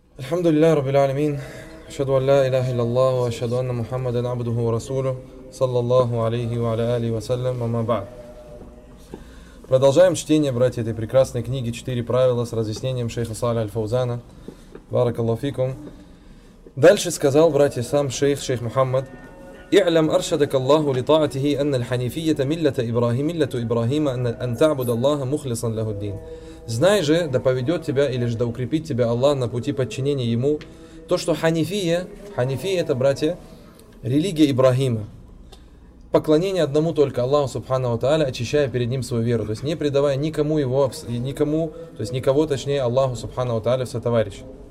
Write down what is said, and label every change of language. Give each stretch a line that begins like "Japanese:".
Arabic: الحمد لله رب العالمين، أشهد أن لا إله إلا الله وأشهد أن محمدا عبده ورسوله صلى الله عليه وعلى آله وسلم، أما بعد.
Russian: Продолжаем чтение, братья, этой прекрасной книги «Четыре правила» с разъяснением шейха Салиха Аль-Фаузана. Барак Аллаху фикум. Дальше сказал, братья, сам шейх, шейх Мухаммад:
Arabic: «Иعلم أرشدك الله لطاعته أن الحنيفية ملة إبراهيم ملة إبراهيم أن تعبد الله مخلصا له الدين».
Russian: Знай же, да поведет тебя, или же да укрепит тебя Аллах на пути подчинения Ему, то, что ханифия, ханифия это, братья, религия Ибрахима, поклонение одному только Аллаху Субхану ва Тааля, очищая перед Ним свою веру, то есть не предавая никому его, никому, то есть никого, точнее, Аллаху Субхану ва Тааля в сотоварищи.